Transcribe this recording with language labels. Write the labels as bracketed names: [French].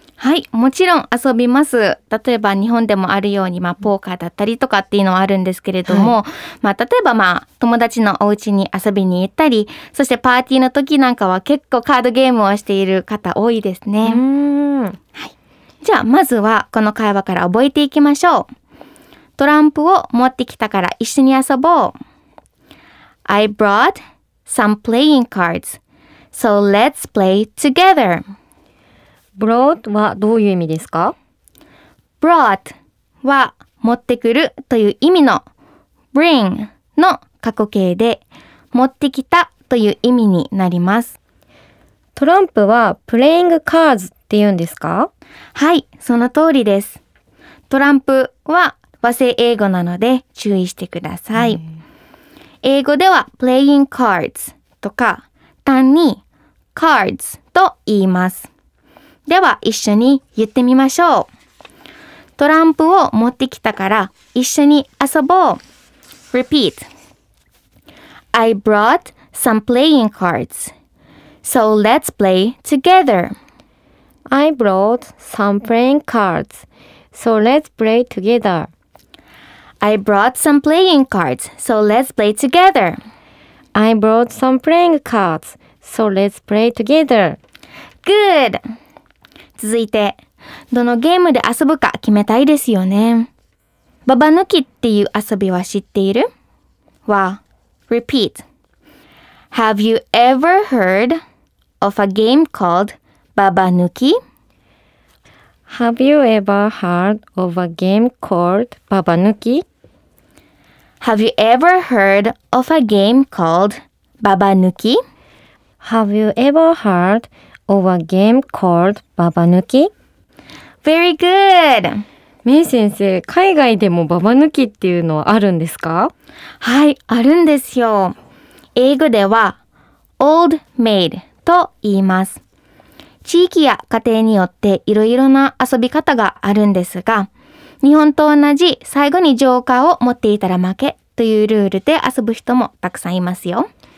[Japanese] はい、もちろん遊びます。例えば日本でもあるように、まあポーカーだったりとかっていうのはあるんですけれども、はい、まあ例えばまあ友達のお家に遊びに行ったり、そしてパーティーの時なんかは結構カードゲームをしている方多いですね。はい、じゃあまずはこの会話から覚えていきましょう。トランプを持ってきたから一緒に遊ぼう。 [English] I brought some playing cards, so let's play together. [Japanese] Brought はどういう意味ですか？ Brought は持ってくるという意味の bring の過去形で、持ってきたという意味になります。トランプは playing cards って言うんですか？はい、その通りです。トランプは和製英語なので注意してください。英語では playing cards とか単に cards と言います。では一緒に言ってみましょう。トランプを持ってきたから一緒に遊ぼう。 [English] Repeat. I brought some playing cards, so let's play together. I brought some playing cards, so let's play together. I brought some playing cards, so let's play together. I brought some playing cards, so let's play together. Good. [Japanese] 続いて、どのゲームで遊ぶか決めたいですよね。ババ抜きっていう遊びは知っている？ [English] は、repeat. Have you ever heard of a game called ババ抜き? Have you ever heard of a game called ババ抜き? Have you ever heard of a game called ババ抜き? Have you ever heardOf a game called ババ抜き? Very good! [Japanese] メイ先生、海外でもババ抜きっていうのはあるんですか? はい、あるんですよ。英語では Old Maid と言います。地域や家庭によっていろいろな遊び方があるんですが、日本と同じ最後にジョーカーを持っていたら負けというルールで遊ぶ人もたくさんいますよ。